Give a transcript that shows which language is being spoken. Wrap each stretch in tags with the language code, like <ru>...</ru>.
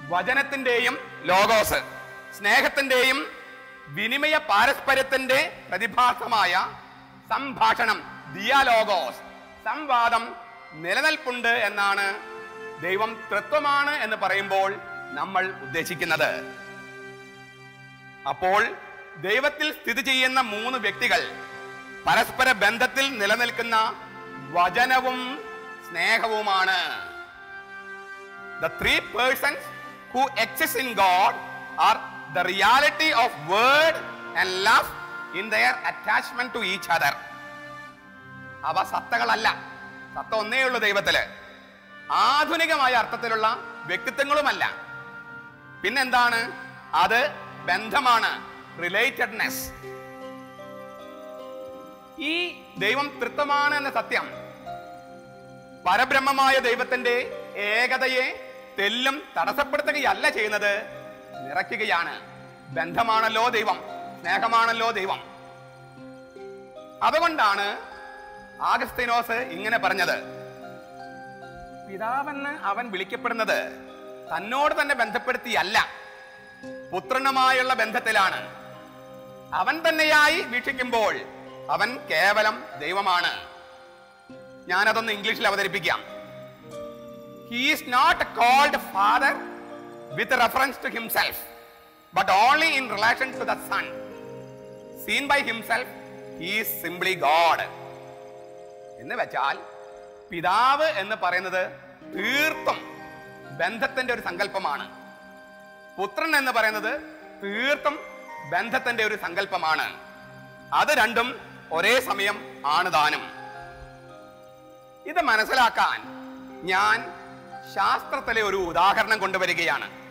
<ml>വചനത്തിന്റെയും logos സ്നേഹത്തിന്റെയും വിനിമയ പാരസ്പര്യത്തിന്റെ പ്രതിഭാസമായ സംഭാഷണം ഡയലോഗോസ് സംവാദം നിലനിൽപ്പുണ്ട് എന്നാണ് ദൈവം തൃത്വമാണ് എന്ന് പറയുമ്പോൾ നമ്മൾ ഉദ്ദേശിക്കുന്നത്. അപ്പോൾ ദൈവത്തിൽ സ്ഥിതി ചെയ്യുന്ന മൂന്ന് വ്യക്തികൾ പരസ്പര ബന്ധത്തിൽ നിലനിൽക്കുന്ന വചനവും സ്നേഹവുമാണ്.</ml> <en>The three persons who exist in God are the reality of word and love in their attachment to each other.</en> <ml>അവ സത്തകളല്ല, സത്ത ഒന്നേ ഉള്ളൂ ദൈവത്തില്. ആധുനികമായ അർത്ഥത്തിലുള്ള വ്യക്തിത്വങ്ങളുമല്ല. പിന്നെന്താണ് അത്? ബന്ധമാണ്, റിലേറ്റഡ്നെസ്. ഈ ദൈവം തൃത്വമാണ് എന്ന സത്യം പരബ്രഹ്മമായ ദൈവത്തിന്റെ ഏകതയെ തെല്ലും തടസ്സപ്പെടുത്തുകയല്ല ചെയ്യുന്നത്, നിറയ്ക്കുകയാണ്. ബന്ധമാണല്ലോ ദൈവം, സ്നേഹമാണല്ലോ ദൈവം. അതുകൊണ്ടാണ് ആഗസ്തീനോസ് ഇങ്ങനെ പറഞ്ഞത്, പിതാവെന്ന് അവൻ വിളിക്കപ്പെടുന്നത് തന്നോട് തന്നെ ബന്ധപ്പെടുത്തിയല്ല, പുത്രനുമായുള്ള ബന്ധത്തിലാണ്. അവൻ തന്നെയായി വീക്ഷിക്കുമ്പോൾ അവൻ കേവലം ദൈവമാണ്. ഞാനതൊന്ന് ഇംഗ്ലീഷിൽ അവതരിപ്പിക്കാം.</ml> <en>He is not called father with reference to himself, but only in relation to the son. Seen by himself, he is simply God.</en> <ml>എന്ന് വെച്ചാൽ പിതാവ് എന്ന് പറയുന്നത് തീർത്തും ബന്ധത്തിന്റെ ഒരു സങ്കല്പമാണ്, പുത്രൻ എന്ന് പറയുന്നത് തീർത്തും ബന്ധത്തിന്റെ ഒരു സങ്കല്പമാണ്. അത് രണ്ടും ഒരേ സമയം ആണ് താനും. ഇത് മനസ്സിലാക്കാൻ ഞാൻ ശാസ്ത്രത്തിലെ ഒരു ഉദാഹരണം കൊണ്ടുവരികയാണ്.</ml>